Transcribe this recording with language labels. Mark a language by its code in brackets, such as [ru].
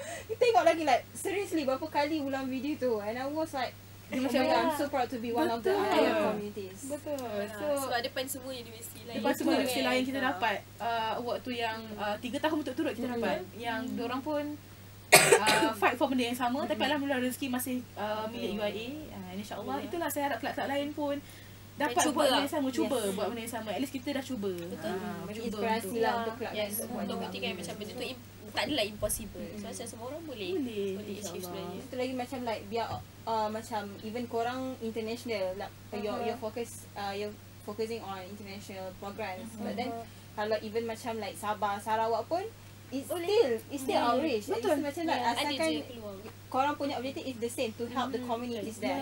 [ms] Kita tengok lagi like seriously berapa kali ulang video tu [en] and I was like I'm so proud to be one of the IUM communities. [ms] Sebab depan semua universiti lain. Depan semua universiti lain kita dapat award tu yang 3 tahun untuk turut kita dapat. Yang diorang pun fight for benda yang sama tapi alhamdulillah rezeki masih milik UIA. InsyaAllah itulah saya harap kelab-kelab lain pun dapat cuba buat benda yang sama. Cuba buat benda yang sama. At least kita dah cuba. Inspirasi lah untuk kelab untuk buktikan macam benda tu tak adalah impossible. So macam semua orang boleh. Itu lagi macam [en] like biar macam even korang international like your focus you're focusing on international programs but then kalau even macam like Sabah, Sarawak pun It's still outreach. Betul. It's macam like [ms] asalkan korang punya [en] objective is the same to help the communities there.